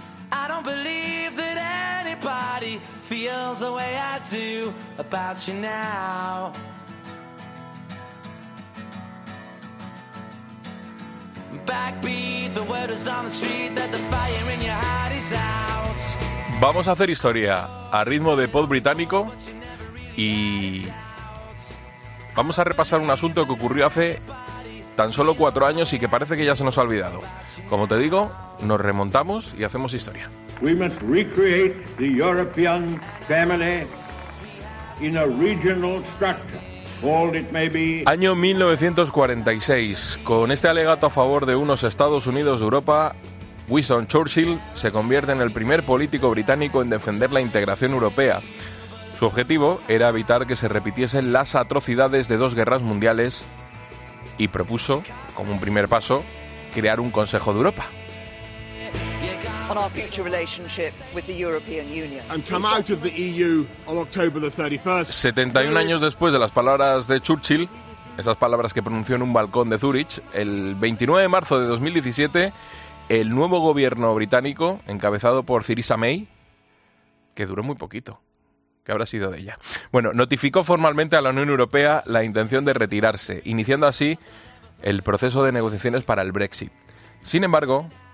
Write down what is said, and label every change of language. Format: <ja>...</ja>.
<en>I don't believe that anybody feels the way I do about you now. Backbeat, the word is on the street that the fire in your heart is out.</en> <es>Vamos a hacer historia a ritmo de pop británico. Y vamos a repasar un asunto que ocurrió hace tan solo 4 años y que parece que ya se nos ha olvidado. Como te digo, nos remontamos y hacemos historia.</es> <en>We must recreate the European family in a regional structure.</en> <es>Año 1946. Con este alegato a favor de unos Estados Unidos de Europa, Winston Churchill se convierte en el primer político británico en defender la integración europea. Su objetivo era evitar que se repitiesen las atrocidades de 2 guerras mundiales y propuso, como un primer paso, crear un Consejo de Europa.</es> <en>On our future relationship with the European Union. And come out of the EU on October the 31st.</en> <es>71 años después de las palabras de Churchill, esas palabras que pronunció en un balcón de Zúrich, el 29 de marzo de 2017, el nuevo gobierno británico, encabezado por Theresa May, que duró muy poquito. ¿Qué habrá sido de ella? Bueno, notificó formalmente a la Unión Europea la intención de retirarse, iniciando así el proceso de negociaciones para el Brexit. Sin embargo,</es>